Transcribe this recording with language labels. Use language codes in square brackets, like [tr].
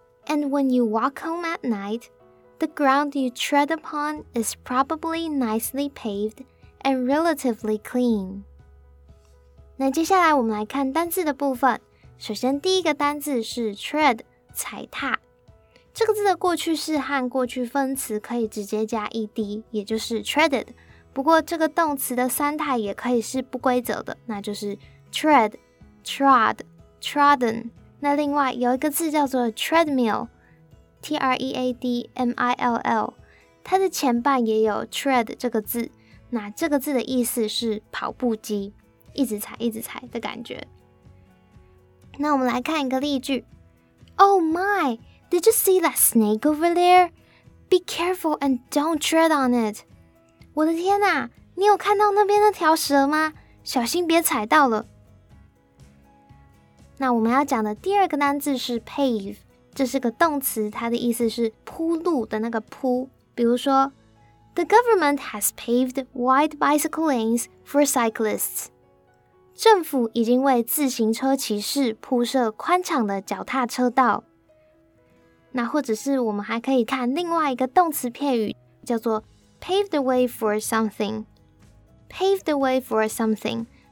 [en] And when you walk home at night, the ground you tread upon is probably nicely paved and relatively clean. [zh] 那接下来我们来看单字的部分，首先第一个单字是 tread， 踩踏。这个字的过去式和过去分词可以直接加 ed， 也就是 treaded， 不过这个动词的三态也可以是不规则的，那就是 tread， trod，trodden。那另外有一个字叫做 treadmill， T-R-E-A-D-M-I-L-L， 它的前半也有 tread 这个字，那这个字的意思是跑步机，一直踩一直踩的感觉。那我们来看一个例句， [en] Oh my, did you see that snake over there? Be careful and don't tread on it. [zh] 我的天哪，你有看到那边那条蛇吗？小心别踩到了。那我们要讲的第二个单字是 pave， 这是个动词，它的意思是铺路的那个铺。比如说 [en] ，The government has paved wide bicycle lanes for cyclists。 [zh] 政府已经为自行车骑士铺设宽敞的脚踏车道。那或者是我们还可以看另外一个动词片语，叫做 [en] pave the way for something。 pave the way for something。